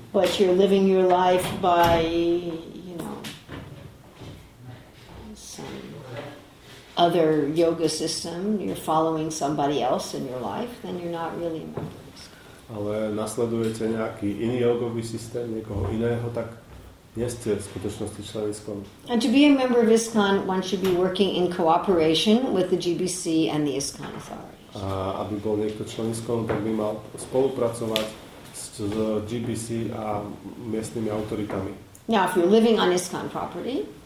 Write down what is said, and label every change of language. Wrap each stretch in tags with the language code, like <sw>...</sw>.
<en>but you're living your life by, you know, some other yoga system, you're following somebody else in your life, then you're not really a member of ISKCON.</en> <sk>Ale nasledujete nejaký iný jogový systém, niekoho iného, tak nie ste v skutočnosti člen ISKCON.</sk> <en>And to be a member of ISKCON, one should be working in cooperation with the GBC and the ISKCON authority.</en> <sk>A aby bol niekto člen ISKCON, tak by mal spolupracovať s GBC a miestnymi autoritami.</sk> <en>Now, if you're living on ISKCON property,</en>